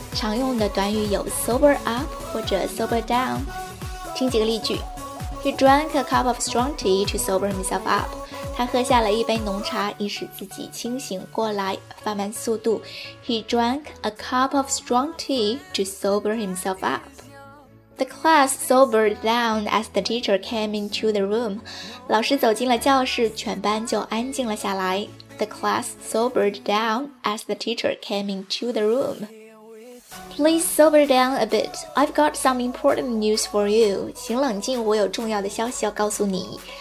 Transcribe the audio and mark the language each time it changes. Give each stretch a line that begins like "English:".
Chinese: 常用的短语有 sober up 或者 sober down. 听几个例句。
English: He drank a cup of strong tea to sober himself up.
Chinese: 他喝下了一杯浓茶，以使自己清醒过来，放慢速度。
English: He drank a cup of strong tea to sober himself up. The class sobered down as the teacher came into the room.
Chinese: 老师走进了教室，全班就安静了下来。
English: The class sobered down as the teacher came into the room. Please sober down a bit. I've got some important news for you.
Chinese: 请冷静，我有重要的消息要告诉你。